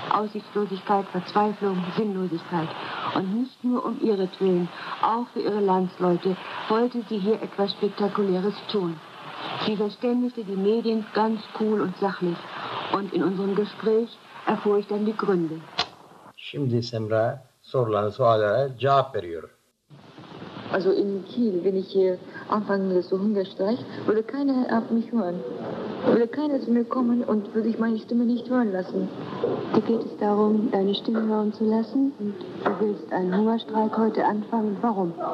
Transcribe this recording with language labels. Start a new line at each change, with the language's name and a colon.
German: Aussichtslosigkeit, Verzweiflung, Sinnlosigkeit. Und nicht nur um ihretwillen, auch für ihre Landsleute wollte sie hier etwas Spektakuläres tun. Sie verständigte die Medien ganz cool und sachlich. Und in unserem Gespräch erfuhr ich dann die Gründe.
Turkish: Şimdi Semra sorulan suallere cevap veriyor.
German: Also in Kiel, wenn ich hier anfange mit so Hungerstreik, würde keiner auf mich hören. Würde keiner zu mir kommen und würde ich meine Stimme nicht hören lassen. Dir geht es darum, deine Stimme hören zu lassen und du willst einen Hungerstreik heute anfangen. Warum?